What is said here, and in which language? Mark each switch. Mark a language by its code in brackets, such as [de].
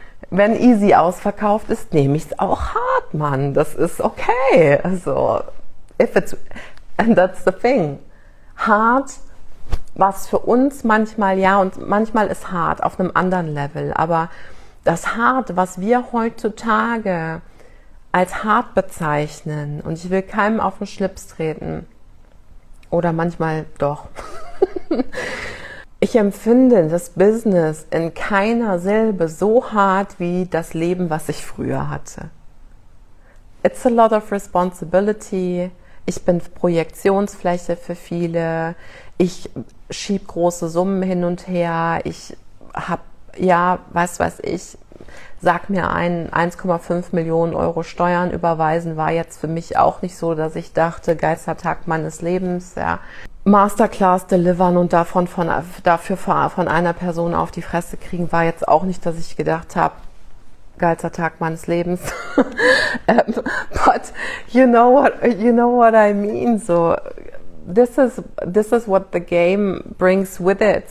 [de] Wenn easy ausverkauft ist, nehme ich es auch hart, Mann. Das ist okay. [en] Also, if it's, and that's the thing. [de] Hart, was für uns manchmal, ja, und manchmal ist hart auf einem anderen Level, aber das hart, was wir heutzutage als hart bezeichnen, und ich will keinem auf den Schlips treten, oder manchmal doch. Ich empfinde das Business in keiner Silbe so hart wie das Leben, was ich früher hatte. [en] It's a lot of responsibility. [de] Ich bin Projektionsfläche für viele. Ich schieb große Summen hin und her. Ich hab, ja, weiß ich, sag mir ein, 1,5 Millionen Euro Steuern überweisen, war jetzt für mich auch nicht so, dass ich dachte, Geistertag meines Lebens, ja. Masterclass delivern und davon von einer Person auf die Fresse kriegen, war jetzt auch nicht, dass ich gedacht habe, geilster Tag meines Lebens. [en] But you know what I mean. So this is what the game brings with it.